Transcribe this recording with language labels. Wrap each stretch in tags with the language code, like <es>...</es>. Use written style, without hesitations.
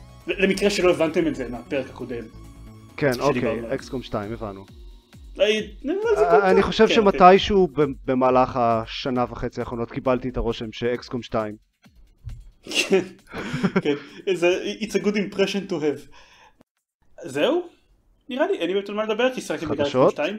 <he>למקרה שלא הבנתם את זה מהפרק הקודם. כן, אוקיי, XCOM 2, הבנו. אני חושב שמתישהו במהלך השנה וחצי האחרונות קיבלתי את הרושם ש-XCOM 2.</he> <en>כן, it's a good impression to have.</en> <he>זהו, נראה לי, אין לי יותר מה לדבר, כי סרקתי בגלל XCOM 2.</he>